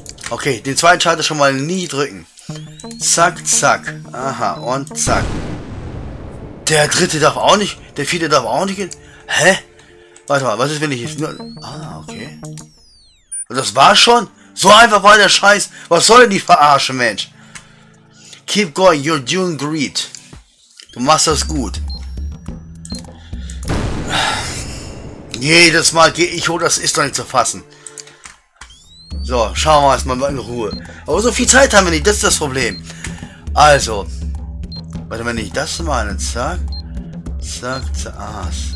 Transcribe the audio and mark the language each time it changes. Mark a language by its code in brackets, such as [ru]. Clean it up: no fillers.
[de] Okay, den zweiten Schalter schon mal nie drücken. Zack, zack. Aha, und zack. Der dritte darf auch nicht. Der vierte darf auch nicht gehen. Hä? Warte mal, was ist, wenn ich jetzt nur. Ah, okay. Und das war schon? So einfach war der Scheiß. Was soll denn die verarschen, Mensch? [en] Keep going, you're doing great. [de] Du machst das gut. Jedes Mal gehe ich hoch, das ist doch nicht zu fassen. So, schauen wir erstmal in Ruhe. Aber so viel Zeit haben wir nicht, das ist das Problem. Also. Warte, wenn ich das mal dann zack. Zack, zack, aha.